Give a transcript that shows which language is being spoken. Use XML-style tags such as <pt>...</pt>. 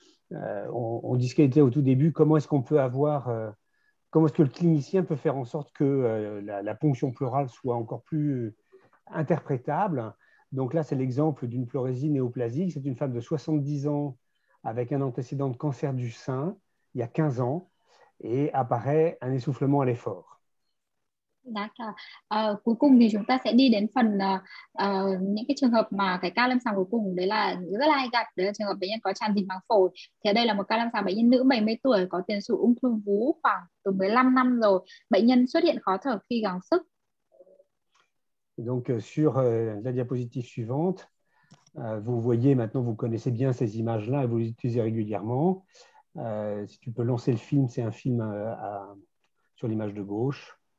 <fr>On discutait au tout début, comment est-ce qu'on peut avoir, comment est-ce que le clinicien peut faire en sorte que la ponction pleurale soit encore plus interprétable. Donc là, c'est l'exemple d'une pleurésie néoplasique. C'est une femme de 70 ans avec un antécédent de cancer du sein il y a 15 ans et apparaît un essoufflement à l'effort. D'accord.</fr> <vi>Cuối cùng thì chúng ta sẽ đi đến phần những cái trường hợp mà cái ca lâm sàng cuối cùng đấy là rất là hay gặp, đấy là trường hợp bệnh nhân có tràn dịch màng phổi. Thì ở đây là một ca lâm sàng bệnh nhân nữ 70 tuổi có tiền sử ung thư vú khoảng từ 15 năm rồi. Bệnh nhân xuất hiện khó thở khi gắng sức.</vi> <fr>Donc sur la diapositive suivante, vous voyez maintenant, vous connaissez bien ces images-là et vous les utilisez régulièrement. Si tu peux lancer le film, c'est un film sur l'image de gauche.</fr>